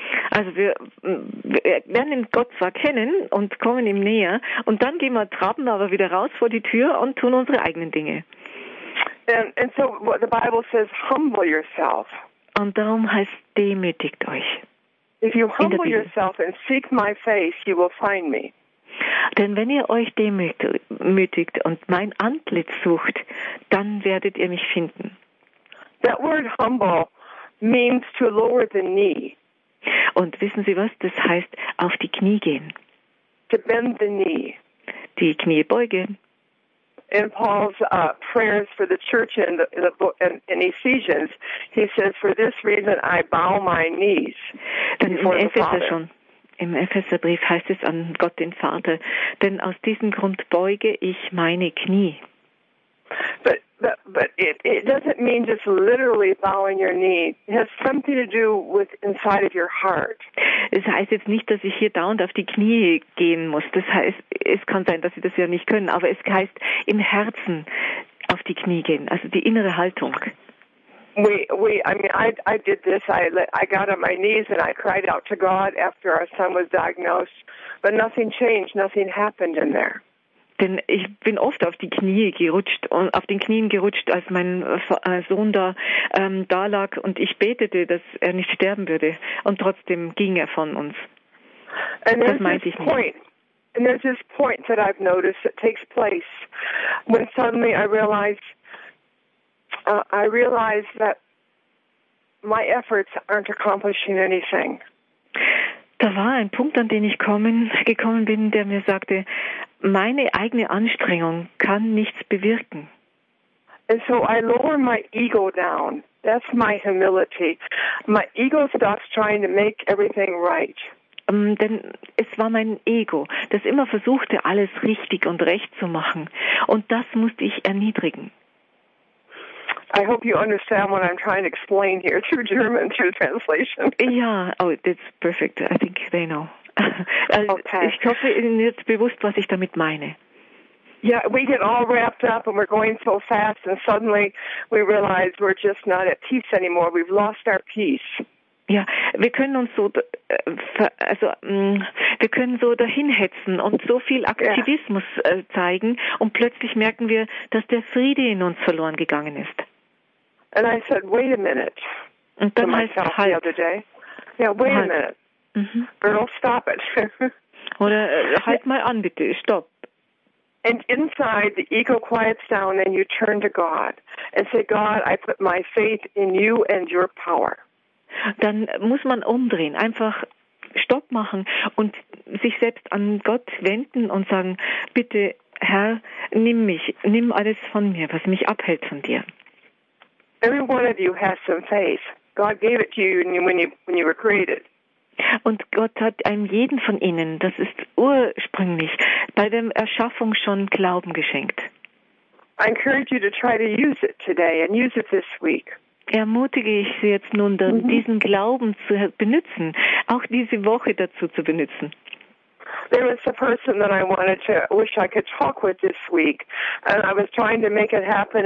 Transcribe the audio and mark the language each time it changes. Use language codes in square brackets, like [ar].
[de] Also wir lernen Gott zwar kennen und kommen ihm näher, und dann gehen wir, traben aber wieder raus vor die Tür und tun unsere eigenen Dinge. [en] And so what the Bible says, humble yourself. [de] Und darum heißt, demütigt euch. [en] If you humble yourself and seek my face, you will find me. [de] Denn wenn ihr euch demütigt und mein Antlitz sucht, dann werdet ihr mich finden. [en] That word humble means to lower the knee. [de] Und wissen Sie was? Das heißt, auf die Knie gehen. [en] To bend the knee. [de] Die Knie beugen. [en] In Paul's prayers for the church in Ephesians, he says, "For this reason, I bow my knees." [de] Denn in Epheser schon, im Epheserbrief heißt es an Gott den Vater, denn aus diesem Grund beuge ich meine Knie. [en] But it doesn't mean just literally bowing your knee. It has something to do with inside of your heart. [de] Es heißt jetzt nicht, dass ich hier dauernd auf die Knie gehen muss. Das heißt, es kann sein, dass Sie das ja nicht können, aber es heißt im Herzen auf die Knie gehen, also die innere Haltung. [en] I did this. I got on my knees and I cried out to God after our son was diagnosed, but nothing changed. Nothing happened in there. [de] Denn ich bin oft auf die Knie gerutscht und auf den Knien gerutscht, als mein Sohn da lag, und ich betete, dass er nicht sterben würde, und trotzdem ging er von uns. [en] And [de] das meinte ich [en] point, [de] nicht. [en] And there's this point that I've noticed that takes place when suddenly I realize that my efforts aren't accomplishing anything. [de] Da war ein Punkt, an den ich gekommen bin, der mir sagte, meine eigene Anstrengung kann nichts bewirken. [en] And so I lower my ego down. That's my humility. My ego stops trying to make everything right. [de] Denn es war mein Ego, das immer versuchte, alles richtig und recht zu machen. Und das musste ich erniedrigen. [en] I hope you understand what I'm trying to explain here through German, through translation. Yeah, oh, it's perfect. I think they know. Okay. [de] Ich hoffe, Ihnen ist bewusst, was ich damit meine. [en] Yeah, we get all wrapped up and we're going so fast, and suddenly we realize we're just not at peace anymore. We've lost our peace. [de] Ja, wir können uns so, also wir können so dahinhetzen und so viel Aktivismus zeigen, und plötzlich merken wir, dass der Friede in uns verloren gegangen ist. [en] And I said, wait a minute. [de] Und dann heißt [en] myself halt, the other day. Yeah, wait halt. A minute. Mm-hmm. Girl, stop it. [de] Oder halt mal an, bitte, stopp. [en] And inside, the ego quiets down and you turn to God and say, God, I put my faith in you and your power. [de] Dann muss man umdrehen, einfach Stopp machen und sich selbst an Gott wenden und sagen, bitte, Herr, nimm mich, nimm alles von mir, was mich abhält von dir. [en] Every one of you has some faith. God gave it to you when you were created. [de] Und Gott hat einem jeden von ihnen, das ist ursprünglich, bei der Erschaffung schon Glauben geschenkt. [en] I encourage you to try to use it today and use it this week. [de] Ermutige ich Sie jetzt nun, diesen Glauben zu benutzen, auch diese Woche dazu zu benutzen. [en] There was a person that I wanted to, wish I could talk with this week, and I was trying to make it happen.